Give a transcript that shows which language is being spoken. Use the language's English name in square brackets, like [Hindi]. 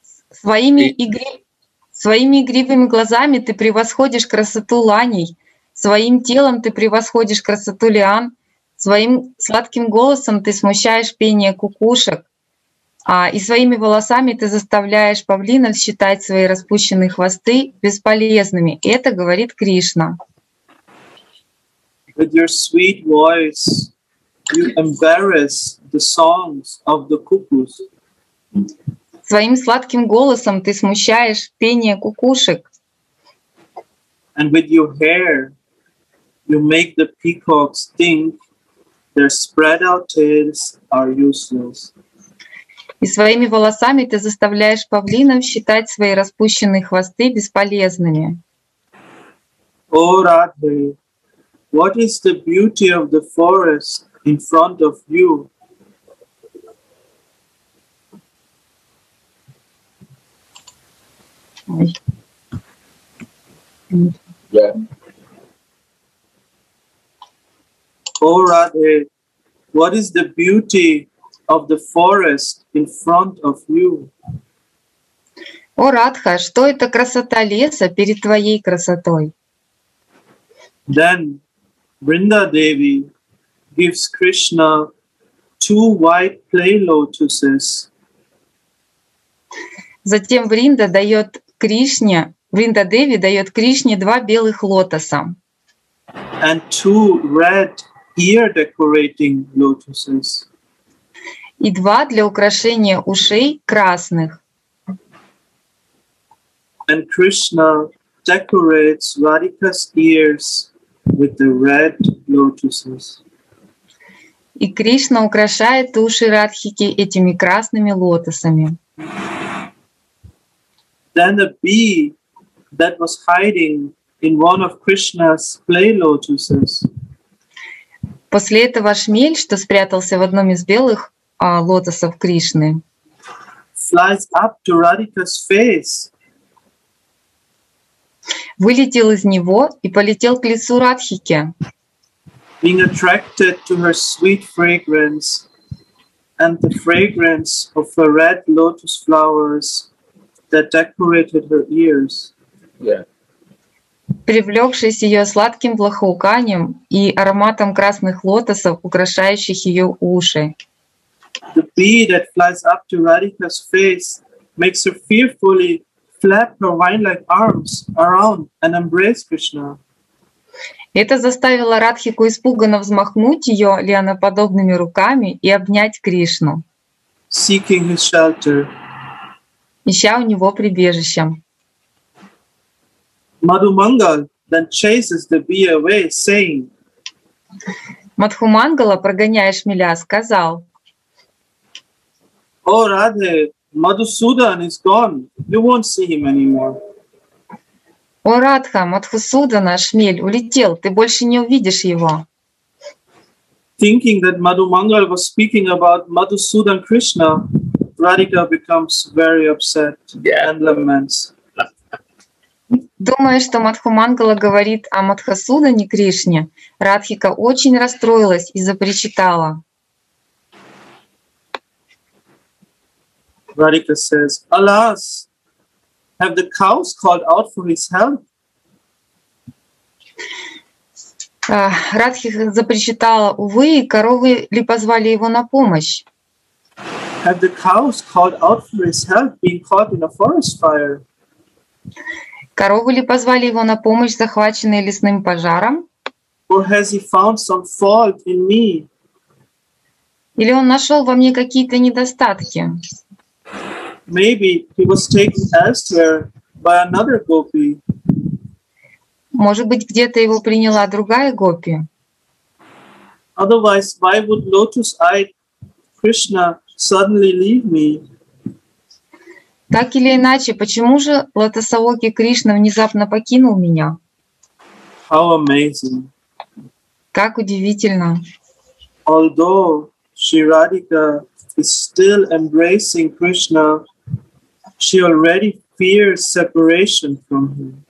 [Russian] Своими игривыми глазами ты превосходишь красоту ланей, своим телом ты превосходишь красоту лиан, своим сладким голосом ты смущаешь пение кукушек, и своими волосами ты заставляешь павлинов считать свои распущенные хвосты бесполезными. Это говорит Кришна. [English] With your sweet voice, you embarrass the songs of the cuckoos. [Russian] Своим сладким голосом ты смущаешь пение кукушек. [English] And with your hair, you make the peacocks think their spread out tails are useless. [Russian] И своими волосами ты заставляешь павлинов считать свои распущенные хвосты бесполезными. [English] О, Радхе, what is the beauty of the forest in front of you? Yeah. Oh, Radhe, what is the beauty of the forest in front of you? [Russian] О, Радха, что это красота леса перед твоей красотой? [English] Then Vrinda Devi gives Krishna two white play lotuses. [Russian] Затем Вринда дает Кришне, Вринда Деви дает Кришне два белых лотоса. [English] And two red ear decorating lotuses. [Russian] И два для украшения ушей красных. [English] And Krishna decorates Radhika's ears with the red lotuses. [Russian] И Кришна украшает уши Радхики этими красными лотосами. [English] Then a bee that was hiding in one of Krishna's play lotuses. [Russian] После этого шмель, что спрятался в одном из белых лотосов Кришны, [English] flies up to Radhika's face. [Russian] Вылетел из него и полетел к лицу Радхики. [English] Being attracted to her sweet fragrance and the fragrance of her red lotus flowers that decorated her ears. Yeah. [Russian] Привлёкшись её сладким благоуханием и ароматом красных лотосов, украшающих её уши. [English] The bee that flies up to Radhika's face makes her fearfully flap her vine-like arms around and embrace Krishna. [Russian] Это заставило Радхику испуганно взмахнуть её лианоподобными руками и обнять Кришну. [English] Seeking his shelter. [Russian] Ища у него прибежище. [English] Madhumangal then chases the bee away, saying. [Russian] Madhumangala, прогоняя шмеля, сказал. [English] О, Радхе, Madhusudan is gone. You won't see him anymore. [Russian] О, Радха, Madhusudana, шмель, улетел. Ты больше не увидишь его. [English] Thinking that Madhumangal was speaking about Madhusudan Krishna, Radhika becomes very upset and laments. [Russian] Думаю, что Мадхумангала говорит о Мадхасудане Кришне. Радхика очень расстроилась и запричитала. [English] Radhika says, alas, have the cows called out for his help? [Russian] Радхика запричитала, увы, коровы ли позвали его на помощь? [English] Have the cows called out for his help, being caught in a forest fire? [Russian] Коровы ли позвали его на помощь, захваченные лесным пожаром? [English] Or has he found some fault in me? [Russian] Или он нашел во мне какие-то недостатки? [English] Maybe he was taken elsewhere by another gopi. [Russian] Может быть, где-то его приняла другая гопи? [English] Otherwise, why would lotus-eyed Krishna suddenly leave me? [Russian] Так или иначе, почему же лотосовокий Кришна внезапно покинул меня? [English] How amazing! [Russian] Как удивительно! [English] Although Sri Radhika is still embracing Krishna, she already fears separation from him.